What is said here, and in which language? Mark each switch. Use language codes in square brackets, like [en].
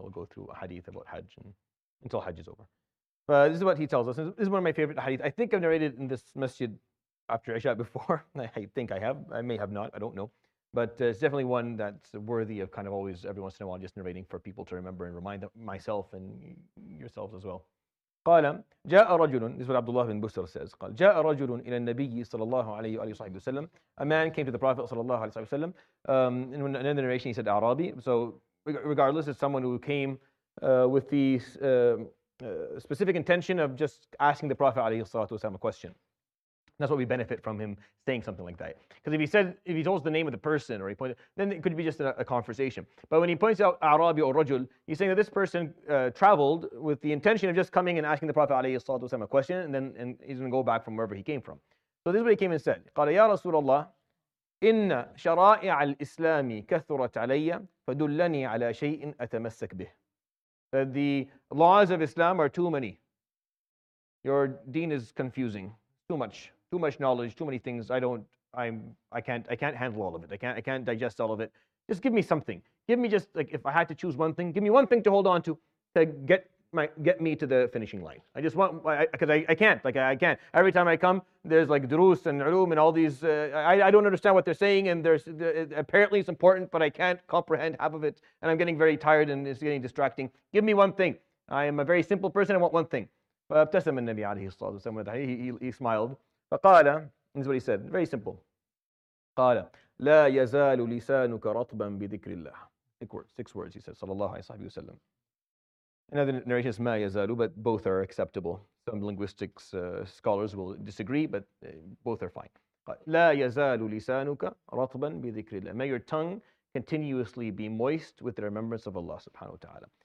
[en] We'll go through a hadith about Hajj and until Hajj is over. But this is what he tells us. This is one of my favorite hadith. I think I've narrated in this masjid after Isha before. I think I have. I may have not. I don't know. But it's definitely one that's worthy of kind of always, every once in a while, just narrating for people to remember and remind them, myself and yourselves as well. [ar] قال جاء رجل, [en] this is what Abdullah bin Busr says, [ar] قال جاء رجل إلى النبي صلى الله عليه وآله وسلم. [en] A man came to the Prophet صلى الله عليه وسلم. In another narration, he said Arabi. So regardless, it's someone who came with the specific intention of just asking the Prophet عليه الصلاة والسلام a question. That's what we benefit from him saying something like that. Because if he told us the name of the person, or he pointed, then it could be just a conversation. But when he points out Arabi or Rajul, he's saying that this person traveled with the intention of just coming and asking the Prophet عليه الصلاة والسلام a question, and then and he's going to go back from wherever he came from. So this is what he came and said. [ar] قال يا رسول الله إن شرائع الإسلام كثرت علي فدلني على شيء أتمسك به. [en] That the laws of Islam are too many. Your deen is confusing. Too much knowledge, too many things. I can't handle all of it. I can't digest all of it. Just give me something. Give me just like if I had to choose one thing, give me one thing to hold on to get me to the finishing line. I just want because I can't. Every time I come, there's like durus and ulum and all these I don't understand what they're saying, and there's apparently it's important, but I can't comprehend half of it, and I'm getting very tired and it's getting distracting. Give me one thing. I am a very simple person, I want one thing. [ar] فابتسم النبي عليه الصلاة والسلام [en] he smiled. [ar] فقال, [en] this is what he said, very simple. [ar] قال لا يزال لسانك رطبا بذكر الله. [en] Six words he said, صلى الله عليه وسلم. Another narration is [ar] ما يزال, [en] but both are acceptable. Some linguistics scholars will disagree, but both are fine. [ar] لا يزال لسانك رطبا بذكر الله. [en] May your tongue continuously be moist with the remembrance of Allah subhanahu wa ta'ala.